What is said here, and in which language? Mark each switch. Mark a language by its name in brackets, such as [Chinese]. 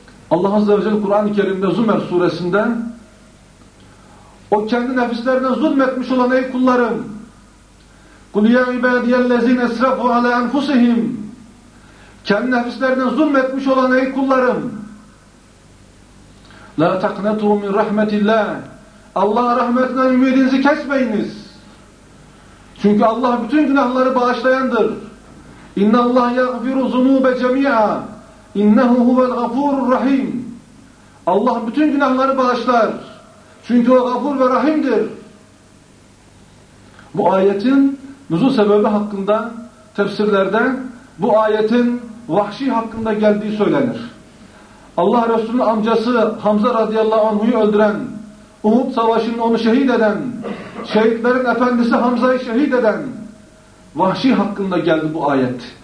[Turkish] Allah Azze ve Celle Kur'an-ı Kerim'de Zümer suresinde o kendi nefislerine zulmetmiş olan ey kullarım, [Arabic] قُلْ يَا اِبَادِيَا الَّذ۪ينَ اَسْرَفُوا عَلَى اَنْفُسِهِمْ, [Turkish] kendi nefislerine zulmetmiş olan ey kullarım, [Arabic] لَا تَقْنَتُوا مِنْ رَحْمَةِ اللّٰهِ, [Turkish] Allah'a rahmetinden ümidinizi kesmeyiniz. Çünkü Allah bütün günahları bağışlayandır. [Arabic] اِنَّ اللّٰهَ يَغْفِرُ ذُنُوبَ جَمِيعًا اِنَّهُ هُوَ الْغَفُورُ الرَّحِيمُ, [Turkish] Allah bütün günahları bağışlar. Çünkü o gafur ve rahimdir. Bu ayetin nüzul sebebi hakkında tefsirlerde bu ayetin vahşi hakkında geldiği söylenir. Allah Resulü'nün amcası Hamza radıyallahu anh'ı öldüren, Uhud savaşında onu şehit eden, şehitlerin efendisi Hamza'yı şehit eden vahşi hakkında geldi bu ayet.